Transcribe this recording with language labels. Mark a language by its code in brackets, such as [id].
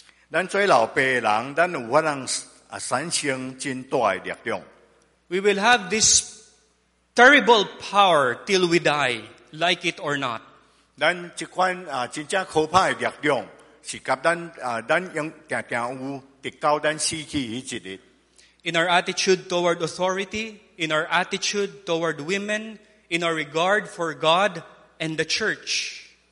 [nan] 咱做老爸的人，咱有法能产生真大的力量。 [en] We will have this terrible power till we die, like it or not. [nan] 咱这款真正可怕的力量，是甲咱用常常有，直到咱死去迄一日。 [en] In our attitude toward authority, in our attitude toward women, in our regard for God and the church.